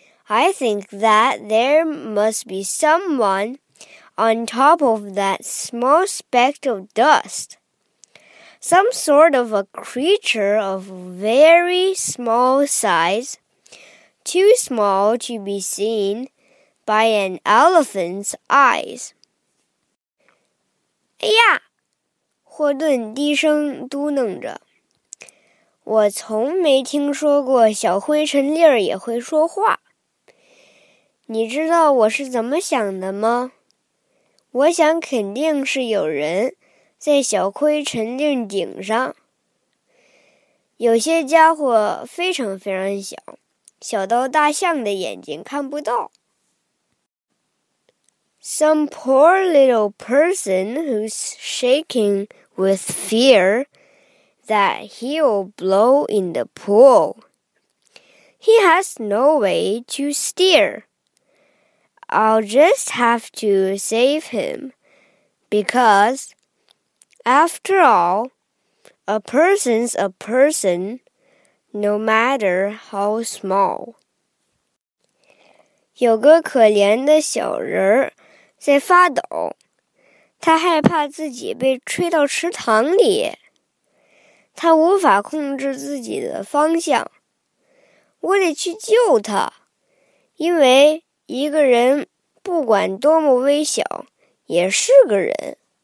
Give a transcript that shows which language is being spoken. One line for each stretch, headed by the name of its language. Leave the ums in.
English: I think that there must be someone on top of that small speck of dust. Some sort of a creature of very small size too small to be seen by an elephant's eyes.
Chinese: 哎呀，霍顿低声嘟囔着：“我从没听说过小灰尘粒儿也会说话。你知道我是怎么想的吗？我想肯定是有人在小灰尘粒儿顶上。有些家伙非常非常小，小到大象的眼睛看不到。
English: Some poor little person who's shaking with fear that he'll blow in the pool. He has no way to steer. I'll just have to save him because, after all, a person's a person no matter how small.
Chinese: 有个可怜的小人儿在发抖，他害怕自己被吹到池塘里，他无法控制自己的方向。我得去救他，因为一个人不管多么微小，也是个人。